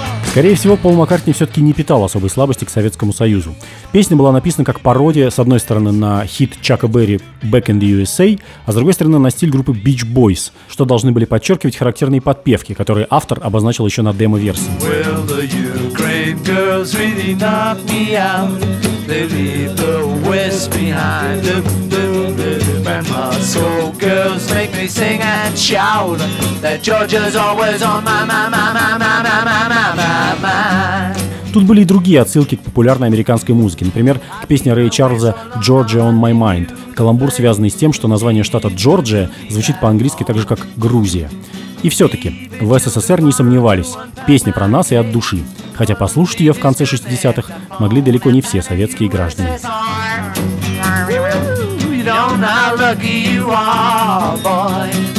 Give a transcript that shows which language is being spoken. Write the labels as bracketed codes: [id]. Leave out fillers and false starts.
[ru] Скорее всего, Пол Маккартни все-таки не питал особой слабости к Советскому Союзу. Песня была написана как пародия, с одной стороны, на хит Чака Берри «Back in the USA», а с другой стороны, на стиль группы «Beach Boys», что должны были подчеркивать характерные подпевки, которые автор обозначил еще на демо-версии. [en] Well, the Ukraine girls really knocked me out. They leave the West behind. And my soul girls make me sing and shout that Georgia's always on my mind, [ru] Тут были и другие отсылки к популярной американской музыке. Например, к песне Рэя Чарльза «Georgia on my mind». Каламбур, связанный с тем, что название штата Джорджия звучит по-английски так же, как «Грузия». И все-таки в СССР не сомневались. Песня про нас и от души. Хотя послушать ее в конце 60-х могли далеко не все советские граждане. [en] You don't know how lucky you are, boy.